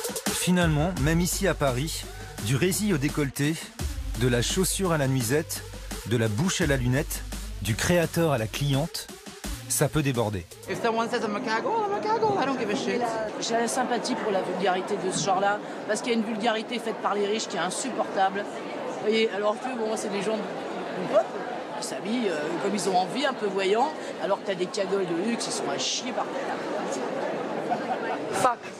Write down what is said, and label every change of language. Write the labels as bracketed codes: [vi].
[fr] Finalement, même ici à Paris, du rési au décolleté, de la chaussure à la nuisette, de la bouche à la lunette, du créateur à la cliente, ça peut déborder. [en] If someone says I'm a cagole, I'm a cagole. I don't give a shit. [fr] J'ai la sympathie pour la vulgarité de ce genre-là, parce qu'il y a une vulgarité faite par les riches qui est insupportable. Vous voyez, alors que bon, c'est des gens du peuple qui s'habillent comme ils ont envie, un peu voyants, alors que t'as des cagoles de luxe, ils sont à chier par terre. [en] Fuck.